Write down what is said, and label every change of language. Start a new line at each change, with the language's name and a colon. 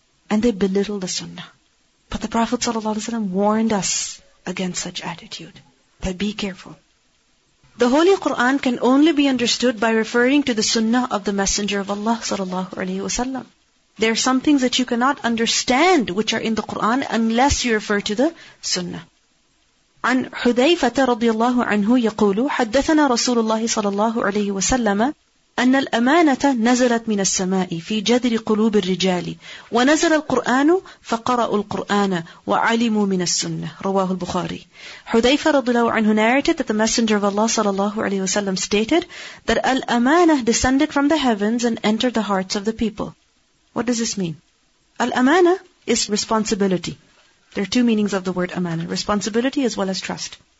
English: And they belittle the sunnah. But the Prophet ﷺ warned us against such attitude. That be careful. The Holy Qur'an can only be understood by referring to the sunnah of the Messenger of Allah sallallahu alayhi wasallam. There are some things that you cannot understand which are in the Qur'an unless you refer to the sunnah.
Arabic: عن حذيفة رضي الله عنه يقول حدثنا رسول الله صلى الله عليه وسلم أن الأمانة نزلت من السماء في جذر قلوب الرجال ونزل القرآن فقرأوا القرآن وعلموا من السنة رواه البخاري.
English: حذيفة رضي الله عنه narrated that the Messenger of Allah صلى الله عليه وسلم stated that الأمانة descended from the heavens and entered the hearts of the people. What does this mean? الأمانة is responsibility. There are two meanings of the word أمانة, responsibility as well as trust.